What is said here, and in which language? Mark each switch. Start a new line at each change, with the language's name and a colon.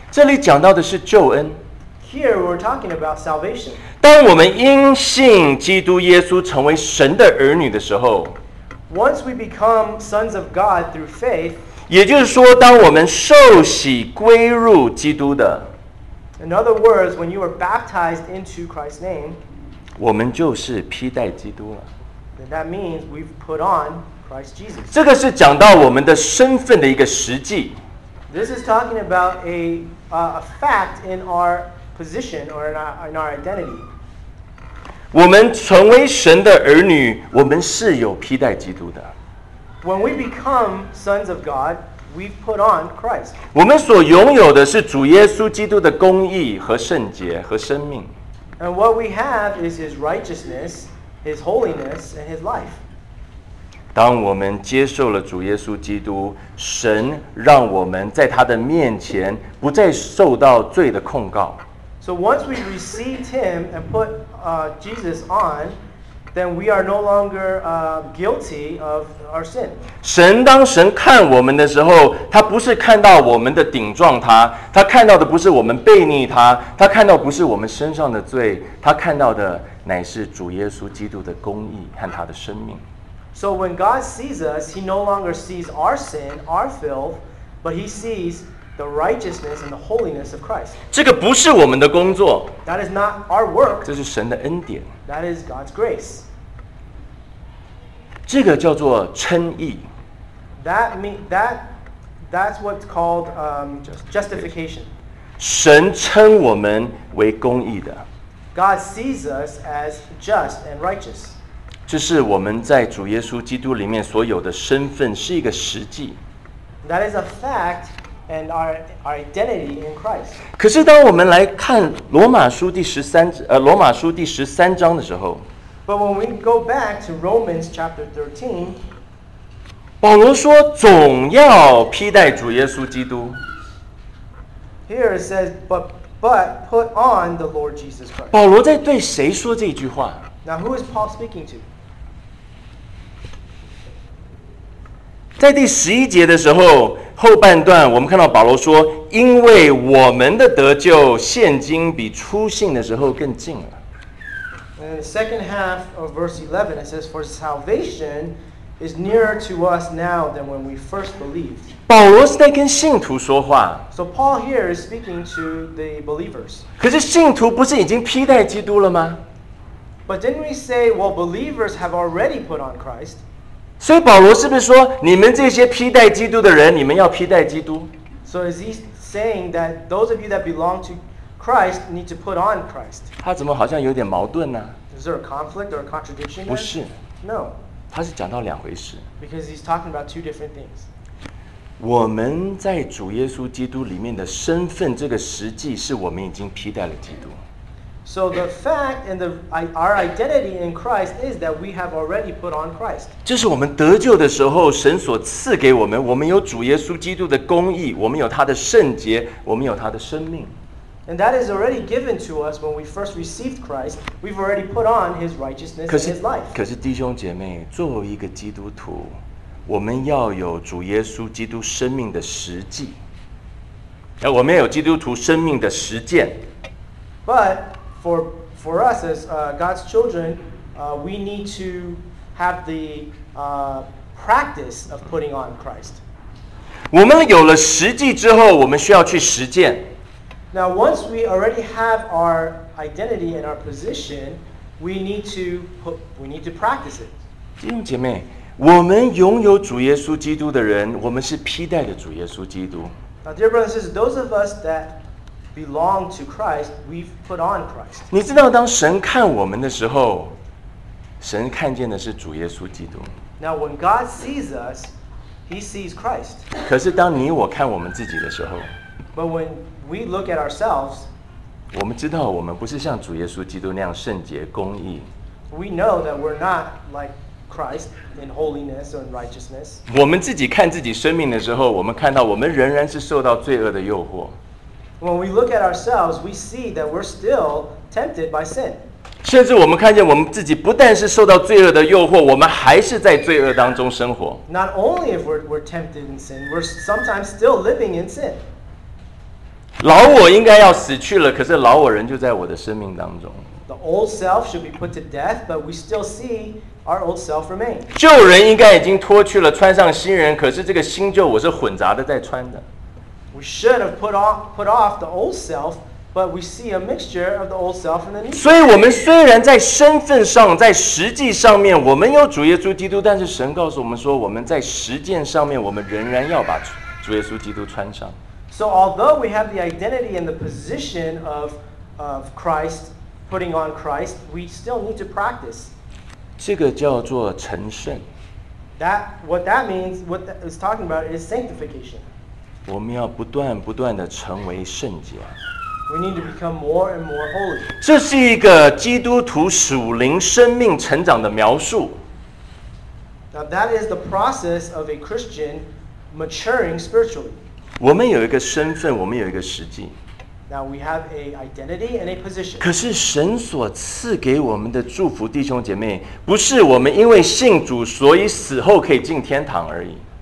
Chinese: 这里讲到的是救恩。
English: Here we're talking about salvation.
Chinese: 当我们因信基督耶稣成为神的儿女的时候
English: ，Once we become sons of God through faith，
Chinese: 也就是说，当我们受洗归入基督的。
English: In other words, when you are baptized into Christ's name,
Chinese: 我们就是披戴基督了。
English: Then that means we've put on Christ Jesus.
Chinese: 这个是讲到我们的身份的一个实际。
English: This is talking about a fact in our position or in our identity.
Chinese: 我们成为神的儿女，我们是有披戴基督的。
English: When we become sons of God, we put on Christ.
Chinese: 我们所拥有的是主耶稣基督的公义和圣洁和生命。
English: And what we have is His righteousness, His holiness, and His life.
Chinese: 当我们接受了主耶稣基督，神让我们在他的面前不再受到罪的控告。
English: So once we received Him and put Jesus on, then we are no longer guilty of our sin.
Chinese: 神当神看我们的时候，他不是看到我们的顶撞他，他看到的不是我们背逆他，他看到不是我们身上的罪，他看到的乃是主耶稣基督的公义和他的生命。
English: So when God sees us, He no longer sees our sin, our filth, but He sees the righteousness and the holiness of Christ.
Chinese: 这个不是我们的工作。
English: That is not our work.
Chinese: 这是神的恩典。
English: That is God's grace.
Chinese: 这个叫做称义。
English: That's what's called justification.
Chinese: 神称我们为公义的。
English: God sees us as just and righteous.
Chinese: 这是我们在主耶稣基督里面所有的身份，是一个实际。
English: That is a fact, and our identity in Christ.
Chinese: 可是当我们来看罗马书第十三章的时候
English: ，But when we go back to Romans chapter 13,
Chinese: 保罗说总要披戴主耶稣基督。
English: Here it says, but put on the Lord Jesus Christ.
Chinese: 保罗在对谁说这句话
English: ？Now who is Paul speaking to?
Chinese: 在第十一节的时候，后半段我们看到保罗说：“因为我们的得救现今比初信的时候更近了。”
English: In the second half of verse 11, it says, "For salvation is nearer to us now than when we first believed."
Chinese: 保罗是在跟信徒说话。
English: So Paul here is speaking to the believers.
Chinese: 可是信徒不是已经披戴基督了吗
English: ？But didn't we say, "Well, believers have already put on Christ"?
Chinese: 所以保罗是不是说，你们这些披戴基督的人，你们要披戴基督
English: ？So is he saying that those of you that belong to Christ need to put on Christ？
Chinese: 他怎么好像有点矛盾呢
English: ？Is there a conflict or a contradiction？
Chinese: 不是
English: ，No。
Chinese: 他是讲到两回事。
English: Because he's talking about two different things。
Chinese: 我们在主耶稣基督里面的身份，这个实际是我们已经披戴了基督。
English: So the fact and our identity in Christ is that we have already put on Christ.
Chinese: 这是我们得救的时候神所赐给我们，我们有主耶稣基督的公义，我们有他的圣洁，我们有他的生命。
English: And that is already given to us when we first received Christ. We've already put on His righteousness and His life.
Chinese: 可是弟兄姐妹，作为一个基督徒，我们要有主耶稣基督生命的实际。我们要有基督徒生命的实践。
English: But for us as God's children, we need to have the practice of putting on Christ.
Chinese: 我们有了实际之后，我们需要去实践。
English: Now, once we already have our identity and our position, we need to practice it.
Chinese: 弟兄姐妹，我们拥有主耶稣基督的人，我们是披戴的主耶稣基督。
English: Now, dear brothers and sisters, those of us that belong to Christ, we've put on Christ.
Chinese: 你知道当神看我们的时候，神看见的是主耶稣基督。
English: Now when God sees us, He sees Christ.
Chinese: 可是当你我看我们自己的时候
English: ，But when we look at ourselves,
Chinese: 我们知道我们不是像主耶稣基督那样圣洁公义。
English: We know that we're not like Christ in holiness or in righteousness.
Chinese: 我们自己看自己生命的时候，我们看到我们仍然是受到罪恶的诱惑。
English: When we look at ourselves, we see that we're still tempted by sin.
Chinese: 甚至我们看见我们自己不但是受到罪恶的诱惑，我们还是在罪恶当中生活。
English: Not only if we're tempted in sin, we're sometimes still living in sin.
Chinese: 老我应该要死去了，可是老我人就在我的生命当中。
English: The old self should be put to death, but we still see our old self remain.
Chinese: 旧人应该已经脱去了，穿上新人，可是这个新旧我是混杂的在穿的。
English: We should have put off the old self, but we see a mixture of the old self and the new self.
Chinese: 所以我们虽然在身份上，在实际上面，我们有主耶稣基督，但是神告诉我们说，我们在实践上面，我们仍然要把主耶稣基督穿上。
English: So although we have the identity and the position of Christ, putting on Christ, we still need to practice.
Chinese: 这个叫做成圣。
English: What that means is sanctification.
Chinese: 我们要不断不断地成为圣洁。
English: We need to become more and more holy.
Chinese: 这是一个基督徒属灵生命成长的描述。
English: Now that is the process of a Christian maturing spiritually.
Chinese: 我们有一个身份，我们有一个实际。
English: Now we have an identity and a position.
Chinese: 可是神所赐给我们的祝福，弟兄姐妹，不是我们因为信主，所以死后可以进天堂而已。